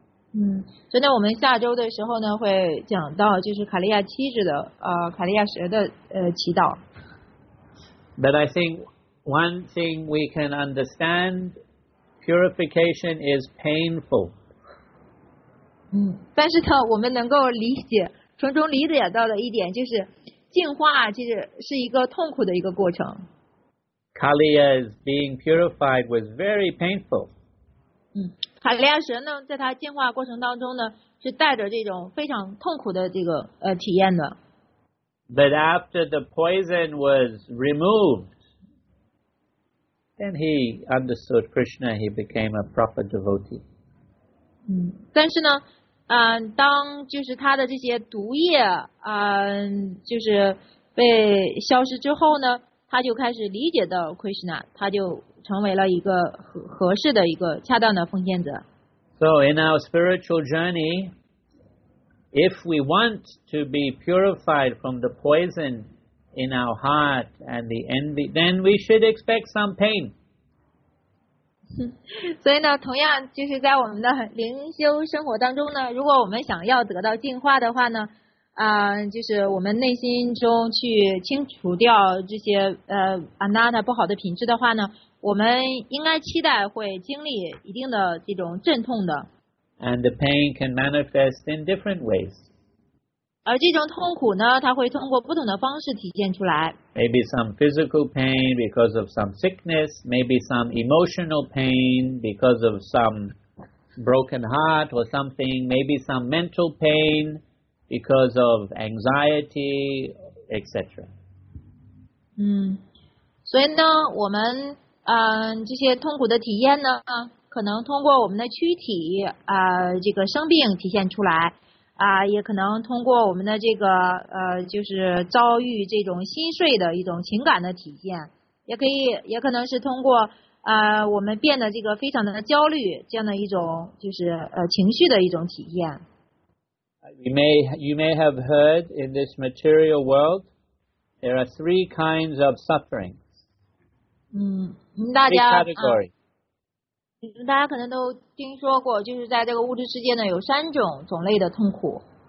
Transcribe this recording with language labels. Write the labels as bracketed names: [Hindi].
[Chinese] 所以呢，我们下周的时候呢，会讲到就是卡利亚妻子的卡利亚蛇的祈祷。 [English] But I think one thing we can understand, purification is painful. [Chinese] 但是呢，我们能够理解，从中理解到的一点就是，净化其实是一个痛苦的一个过程。 [English] Kaliya is being purified was very painful. [Chinese] 卡利亚神呢，在他进化过程当中呢，是带着这种非常痛苦的这个体验的。 [English] But after the poison was removed, then he understood Krishna. He became a proper devotee. [Chinese] 但是呢，当就是他的这些毒液，就是被消失之后呢，他就开始理解到 Krishna， 他就成为了一个合适的一个恰当的奉献者。 [English] So in our spiritual journey, if we want to be purified from the poison in our heart and the envy, then we should expect some pain. [Chinese] 所以呢，同样就是在我们的灵修生活当中呢，如果我们想要得到净化的话呢，就是我们内心中去清除掉这些anatta不好的品质的话呢，我们应该期待会经历一定的这种阵痛的。 [English] And the pain can manifest in different ways. [Chinese] 而这种痛苦呢，它会通过不同的方式体现出来。 [English] Maybe some physical pain because of some sickness, maybe some emotional pain because of some broken heart or something, maybe some mental pain because of anxiety, etc. [Chinese] 所以呢，我们这些痛苦的体验呢，可能通过我们的躯体这个生病体现出来，也可能通过我们的这个就是遭遇这种心碎的一种情感的体现，也可能是通过我们变得这个非常的焦虑这样的一种就是情绪的一种体验。 [English] You may have heard in this material world there are three kinds of suffering. [Chinese] 大家可能都听说过，就是在这个物质世界呢，有三种种类的痛苦。